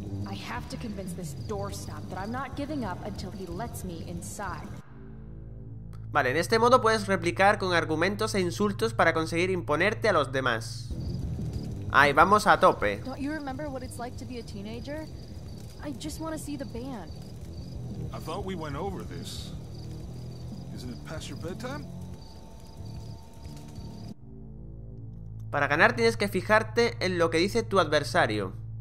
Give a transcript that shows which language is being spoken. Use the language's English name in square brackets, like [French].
[English] I have to convince this doorstop that I'm not giving up until he lets me inside. [Spanish] Vale, en este modo puedes replicar con argumentos e insultos para conseguir imponerte a los demás. Ahí vamos a tope. [English] Don't you remember what it's like to be a teenager? I just want to see the band. I thought we went over this. Isn't it past your bedtime? [Spanish] Para ganar tienes que fijarte en lo que dice tu adversario.